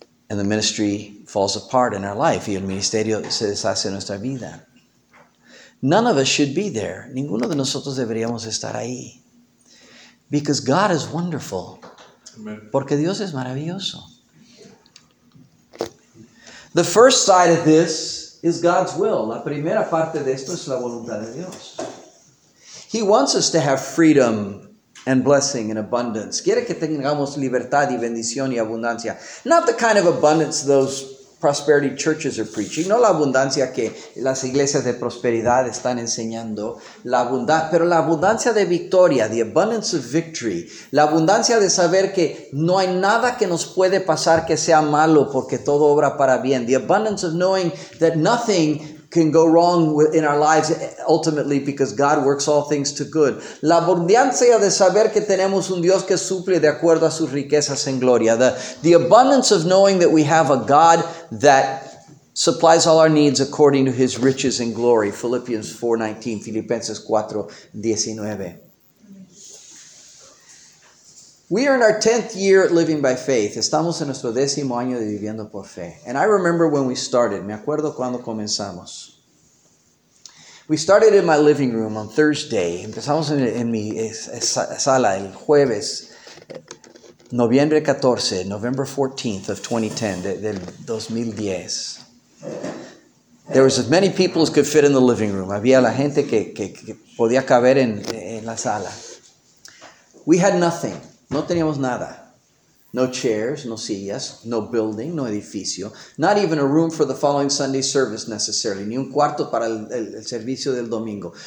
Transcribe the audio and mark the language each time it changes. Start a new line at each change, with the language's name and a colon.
English: And the ministry falls apart in our life.
Spanish: Y el ministerio se deshace en nuestra vida.
English: None of us should be there.
Spanish: Ninguno de nosotros deberíamos estar ahí.
English: Because God is wonderful. Amen.
Spanish: Porque Dios es maravilloso.
English: The first side of this is God's will.
Spanish: La primera parte de esto es la voluntad de Dios.
English: He wants us to have freedom and blessing and abundance.
Spanish: Quiere que tengamos libertad y bendición y abundancia.
English: Not the kind of abundance those prosperity churches are preaching.
Spanish: No la abundancia que las iglesias de prosperidad están enseñando. Pero la abundancia de victoria,
English: the abundance of victory.
Spanish: La abundancia de saber que no hay nada que nos puede pasar que sea malo porque todo obra para bien.
English: The abundance of knowing that nothing can go wrong in our lives ultimately because God works all things to good.
Spanish: La abundancia de saber que tenemos un Dios que suple de acuerdo a sus riquezas en gloria.
English: The abundance of knowing that we have a God that supplies all our needs according to his riches and glory. Philippians 4:19, Filipenses 4:19. We are in our 10th year at Living by Faith.
Spanish: Estamos en nuestro décimo año de Viviendo por Fe.
English: And I remember when we started.
Spanish: Me acuerdo cuando comenzamos.
English: We started in my living room on Thursday.
Spanish: Empezamos en mi sala el jueves,
English: November 14th of 2010,
Spanish: del 2010.
English: There was as many people as could fit in the living room.
Spanish: Había la gente que podía caber en la sala.
English: We had nothing.
Spanish: No teníamos nada.
English: No chairs,
Spanish: no sillas,
English: no building,
Spanish: no edificio.
English: Not even a room for the following Sunday service necessarily.
Spanish: Ni un cuarto para el servicio del domingo.